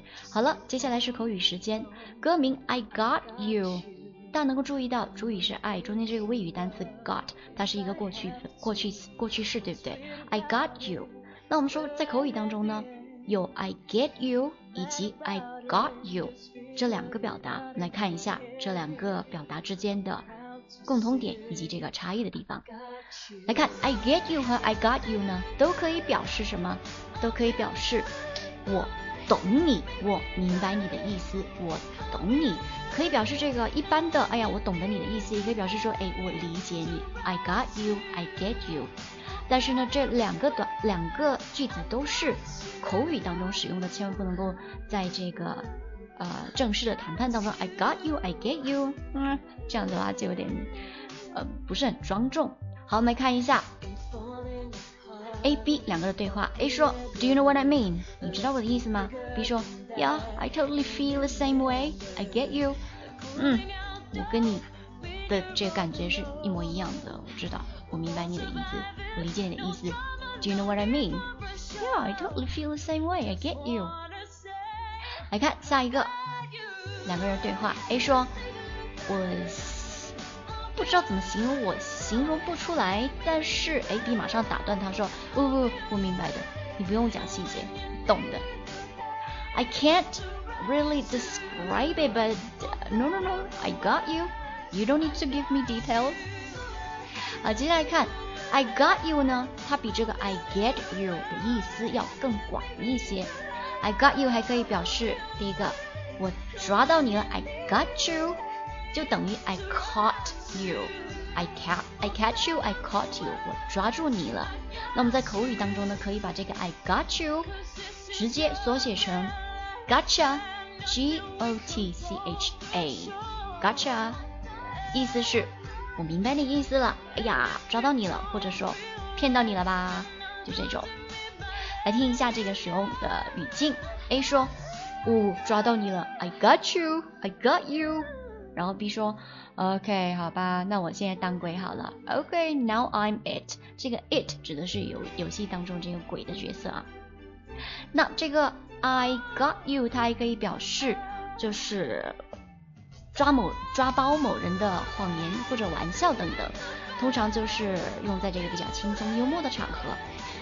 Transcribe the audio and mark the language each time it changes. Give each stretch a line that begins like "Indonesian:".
Chinese: 好了，接下来是口语时间。歌名
English: I got you，
Chinese: 大家能够注意到主语是 I， 中间这个谓语单词 got， 它是一个过去式，对不对？
English: I got you。
Chinese: 那我们说在口语当中呢，有
English: I get you
Chinese: 以及
English: I got you
Chinese: 这两个表达，我们来看一下这两个表达之间的共同点以及这个差异的地方。来看 I get you 和 I got you 呢，都可以表示什么？都可以表示我懂你，我明白你的意思，我懂你，可以表示这个一般的，哎呀，我懂得你的意思，也可以表示说，哎，我理解你 ，
English: I got you, I get you。
Chinese: 但是呢，这两个句子都是口语当中使用的，千万不能够在这个正式的谈判当中 ，
English: I got you, I get you，
Chinese: 这样的话就有点不是很庄重。好，我们来看一下， A B 两个的对话。
English: A
Chinese: 说
English: Do you know what I mean?
Chinese: 你知道我的意思吗？
English: B
Chinese: 说
English: Yeah, I totally feel the same way. I get you.
Chinese: 我跟你的这个感觉是一模一样的，我知道，我明白你的意思，我理解你的意思。
English: Do you know what I mean? Yeah, I totally feel the same way. I get you.
Chinese: 来看下一个两个人对话。A 说我不知道怎么形容，我形容不出来，但是 AB 马上打断他说不明白的，你不用讲细节，懂的。
English: I can't really describe it but no I got you, you don't need to give me details。
Chinese: 好，接下来看 I got you 呢，它比这个 I get you 的意思要更广一些。
English: I got you
Chinese: 还可以表示第一个我抓到你了， I got you就等于
English: I caught you, I catch you, I caught
Chinese: you, 我抓住你了。那我们在口语当中呢，可以把这个 I got you 直接缩写成 gotcha, G-O-T-C-H-A, gotcha, 意思是我明白你意思了，哎呀抓到你了，或者说骗到你了吧，就这种。来听一下这个使用的语境。 A 说抓到你了，
English: I got you, I got you。
Chinese: 然后 B 说 OK 好吧，那我现在当鬼好了，
English: OK now I'm it。
Chinese: 这个 it 指的是游戏当中这个鬼的角色啊。那这个 I got you 它还可以表示就是抓包某人的谎言或者玩笑等等，通常就是用在这个比较轻松幽默的场合。